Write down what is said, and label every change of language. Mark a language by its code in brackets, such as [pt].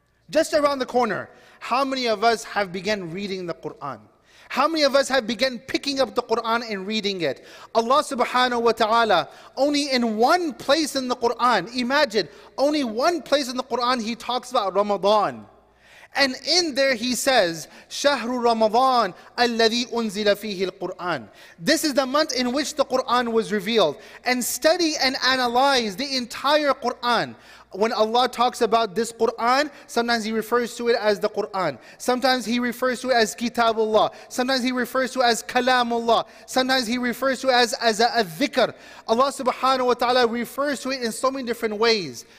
[en] Just around the corner. How many of us have begun reading the Quran? How many of us have begun picking up the Quran and reading it? Allah subhanahu wa ta'ala, only in one place in the Quran, imagine, only one place in the Quran he talks about Ramadan. And in there he says, [ar] شهر رمضان الذي أنزل فيه القرآن. [en] This is the month in which the Quran was revealed. And study and analyze the entire Quran. When Allah talks about this Quran, sometimes He refers to it as the Quran. Sometimes He refers to it as Kitabullah. Sometimes He refers to it as Kalamullah. Sometimes He refers to it as a dhikr. Allah subhanahu wa ta'ala refers to it in so many different ways.